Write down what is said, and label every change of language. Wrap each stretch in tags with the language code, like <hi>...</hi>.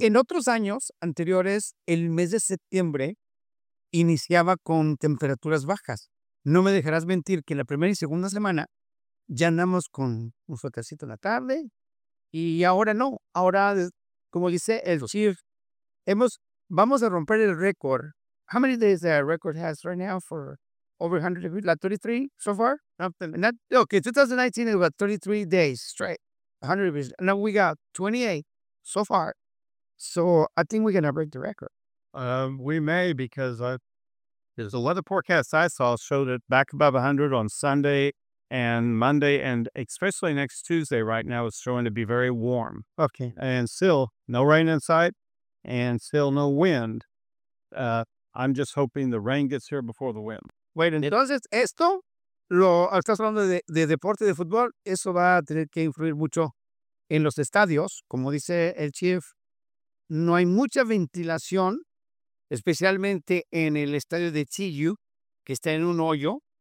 <es>En otros años anteriores, el mes de septiembre iniciaba con temperaturas bajas. No me dejarás mentir que en la primera y segunda semana ya andamos con un suetercito en la tarde, y ahora no. Ahora, como dice el chief, vamos a romper el récord.</es> <en>How many days the record has right now for over 100 degrees? Like 33 so far? Nothing. And 2019 is about 33 days straight. 100 degrees. Now we got 28 so far. So I think we're going to break the record. We may, because the weather forecast I saw showed it back above 100 on Sunday and Monday, and especially next Tuesday right now is showing to be very warm. Okay. And still no rain in sight. And still no wind. I'm just hoping the rain gets here before the wind.</en> <es>Wait, entonces esto, estás hablando de deporte de fútbol, eso va a tener que influir mucho en los estadios. Como dice el chief, no hay mucha ventilación, especialmente en el estadio de TU, que está en un hoyo.</es>